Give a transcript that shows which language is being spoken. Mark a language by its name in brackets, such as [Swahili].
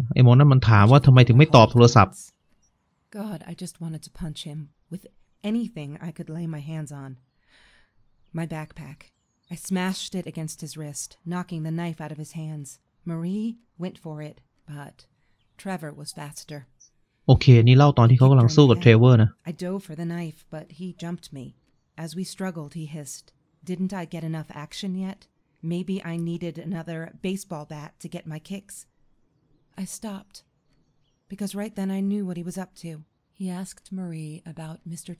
[Thai] ไอ้หมอนั่นมันถามว่าทำไมถึงไม่ตอบโทรศัพท์ [English] God, I just wanted to punch him with anything I could lay my hands on. My backpack. I smashed it against his wrist, knocking the knife out of his hands. Marie went for it, but Trevor was faster. [Thai] โอเคนี่เล่าตอนที่เขากำลังสู้กับเทรเวอร์นะ [English] I dove for the knife but he jumped me as we struggled he hissed didn't I get enough action yet maybe I needed another baseball bat to get my kicks I stopped because right then I knew what he was up to he asked Marie about Mr.